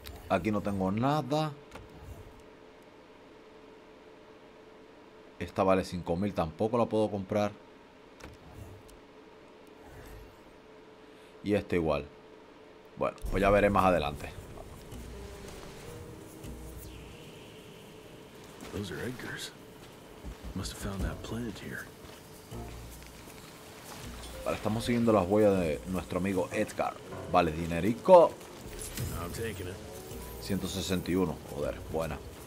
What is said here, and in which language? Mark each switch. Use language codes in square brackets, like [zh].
[es] Aquí no tengo nada. Esta vale 5.000, tampoco la puedo comprar. Y este igual. Bueno, pues ya veré más adelante. [en] Those are Edgar's. Must have found that planet here. [es] Vale, estamos siguiendo las huellas de nuestro amigo Edgar. Vale, dinerico. 161, joder, buena.